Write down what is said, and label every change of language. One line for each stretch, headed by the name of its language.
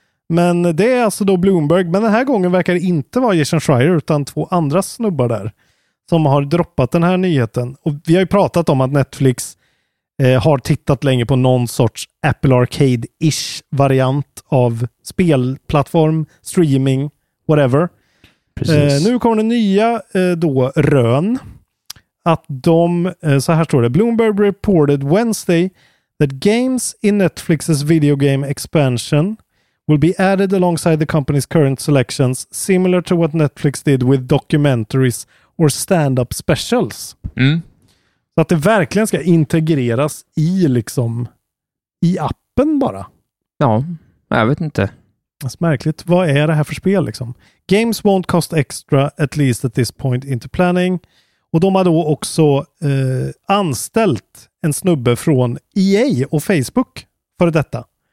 Swedish: Men det är alltså då Bloomberg. Men den här gången verkar det inte vara Jason Schreier, utan två andra snubbar där som har droppat den här nyheten. Och vi har ju pratat om att Netflix har tittat länge på någon sorts Apple Arcade-ish variant av spelplattform, streaming, whatever. Nu kommer det nya då rön. Att de, så här står det:
English: Bloomberg reported Wednesday that games in Netflix's video game expansion will be added alongside the company's current selections, similar to what Netflix did with documentaries or stand-up specials. Mm.
Swedish: Så att det verkligen ska integreras i liksom i appen bara. Ja, jag vet inte. Det är märkligt. Vad är det här för spel liksom?
English: Games won't cost extra, at least at this point into planning.
Swedish: Och de har då också anställt en snubbe från EA och Facebook för detta.